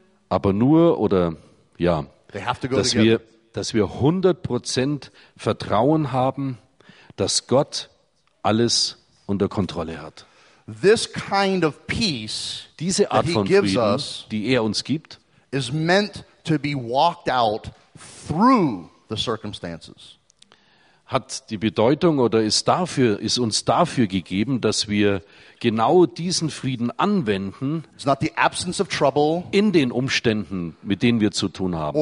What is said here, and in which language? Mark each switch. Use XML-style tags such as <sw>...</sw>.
<de>Aber nur oder ja, dass wir 100% Vertrauen haben, dass Gott alles unter Kontrolle hat.</de> <en>This kind of peace,</en> <de>diese Art von Frieden, die er uns gibt,</de> <en>is meant to be walked out through the circumstances.</en> <de>Hat die Bedeutung oder ist uns dafür gegeben, dass wir genau diesen Frieden anwenden,</de> <en>it's not the absence of trouble,</en> <de>in den Umständen, mit denen wir zu tun haben.</de>